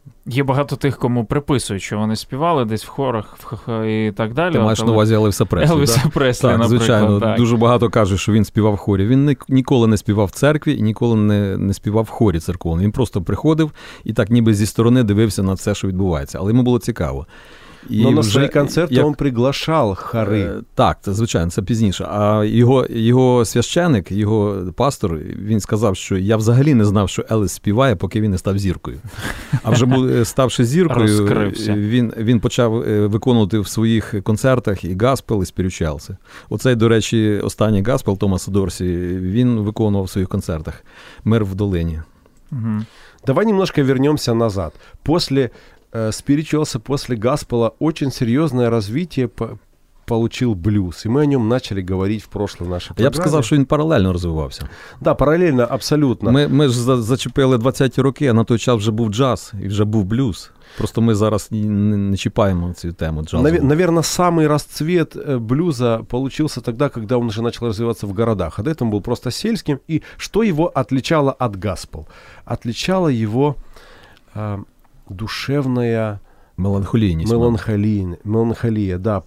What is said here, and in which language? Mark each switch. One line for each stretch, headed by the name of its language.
Ukrainian: Є багато тих, кому приписують, що вони співали десь в хорах і так далі. Ти маєш на увазі Елвіса Преслі. Елвіса Преслі, наприклад. Звичайно, так. Дуже багато кажуть, що він співав в хорі. Він ніколи не співав в церкві і ніколи не співав в хорі церковному. Він просто приходив і так ніби зі сторони дивився на все, що відбувається. Але йому було цікаво.
Russian: Но на свои концерты он приглашал хоры.
Ukrainian: Так, це, звичайно, це пізніше. А його священник, його пастор, він сказав, що я взагалі не знав, що Еліс співає, поки він не став зіркою. А вже ставши зіркою, він почав виконувати в своїх концертах і Gospel, і Spirituals. Оцей, до речі, останній Gospel Томаса Дорсі, він виконував в своїх концертах «Мир в долині». Угу.
Russian: Давай немножко вернемся назад. После Spirituals, после Gospel, очень серьезное развитие получил блюз. И мы о нем начали говорить в прошлой нашей программе. Я бы сказал, что он паралельно развивался. Да, паралельно, абсолютно.
Ukrainian: Мы ж зачепили 20-ті роки, а на той час вже був джаз і вже був блюз. Просто ми зараз не чіпаємо цю тему джазу.
Russian: Наверное, самый расцвет блюза получился тогда, когда он уже начал развиваться в городах. А до этого он был просто сельским. И что его отличало от гаспел? Отличало его душевная... Меланхолия. Меланхолия, да.